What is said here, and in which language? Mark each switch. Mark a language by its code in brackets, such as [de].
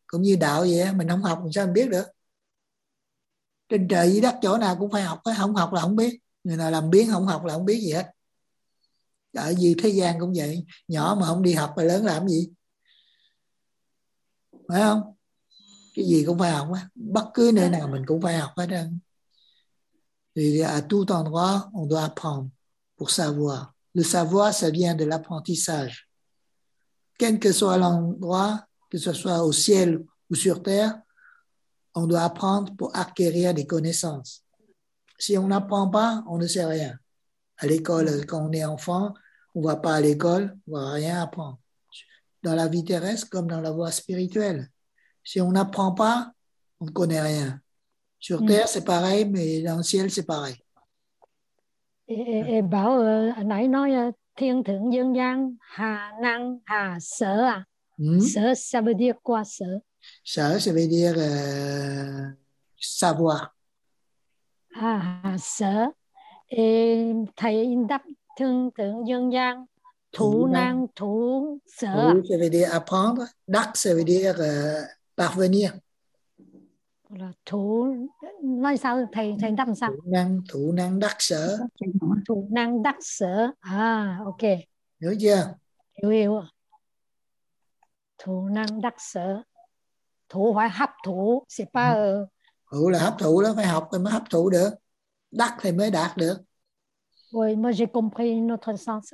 [vi] Cũng như đạo vậy, mình không học làm sao mình biết được. Trên trời dưới đất chỗ nào cũng phải học, không học là không biết. Người nào làm biến không học là không biết gì hết. Ở gì thế gian cũng vậy, nhỏ mà không đi học là lớn làm gì. Phải không? Cái gì cũng phải học, bất cứ nơi nào mình cũng phải học hết. [fr] Thì tout endroit, on doit apprendre pour savoir. Le savoir, ça vient de l'apprentissage. Quel que soit l'endroit, que ce soit au ciel ou sur terre, on doit apprendre pour acquérir des connaissances. Si on n'apprend pas, on ne sait rien. À l'école, quand on est enfant, on ne va pas à l'école, on ne va rien apprendre. Dans la vie terrestre, comme dans la voie spirituelle. Si on n'apprend pas, on ne connaît rien. Sur terre, c'est pareil, mais dans le ciel, c'est pareil. [vi] Bảo nãy nói thiên thượng dân gian hà năng hà sở à? [fr] Sở ça veut dire quoi sở? Sở ça veut dire savoir. [vi] Hà sở. Thầy đáp thiên thượng dân gian thủ năng thủ sở. [fr] Thủ ça veut dire apprendre. Đắc ça veut dire parvenir. [vi] Là thủ nói sao thầy đáp sao? Thủ năng đắc sở. Thủ năng đắc sở. À ok. Hiểu chưa? Hiểu. Thủ năng đắc sở. Thủ phải hấp thụ, sẽ phải Thủ là hấp thụ đó, phải học thì mới hấp thụ được. Đắc thì mới đạt được. [fr] Oui, moi j'ai compris notre sens.